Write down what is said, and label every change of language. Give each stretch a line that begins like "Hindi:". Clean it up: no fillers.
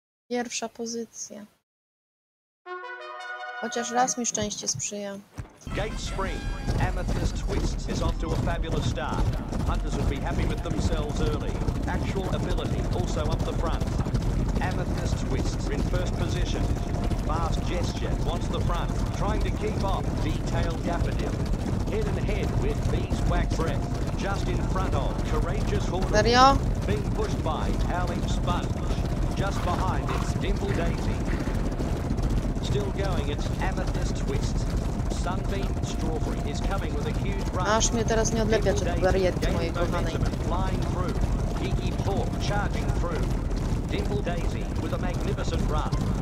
Polish: Pierwsza pozycja. Chociaż raz mi szczęście sprzyja.
English: Gate Spring. Amethyst Twist is off to a fabulous start. Hunters would be happy with themselves early. Actual ability also up the front. Amethyst Twist in first position. Fast Gesture wants the front. Trying to keep off Detailed Daffodil. Head and head with Beeswax Breath. Just in front of Courageous Horde. Being pushed by Howling Sponge. Just behind it's Dimple Daisy. Still going, it's Amethyst Twist. Sunbeam Strawberry is coming with a huge run.
Polish: Aż mnie teraz nie odlepia, czy wariety mojej kochanej.
English: Flying through. Geeky Pork charging through. Dimple Daisy with a magnificent run.